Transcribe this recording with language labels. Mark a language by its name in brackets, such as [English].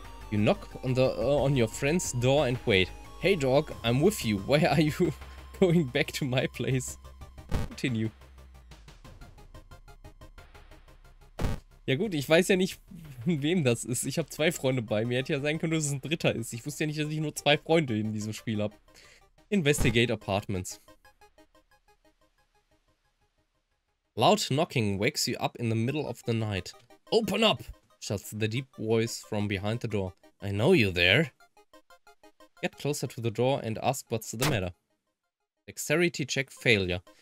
[English] You knock on the on your friend's door and wait. Hey dog, I'm with you. Why are you going back to my place? Continue. [German] Ja gut, ich weiß ja nicht, wem das ist. Ich habe 2 Freunde bei mir. Hätte ja sein können, dass es ein dritter ist. Ich wusste ja nicht, dass ich nur 2 Freunde in diesem Spiel habe. [English] Investigate apartments. Loud knocking wakes you up in the middle of the night. Open up! Shuts the deep voice from behind the door. I know you're there. Get closer to the door and ask what's the matter. Dexterity check failure.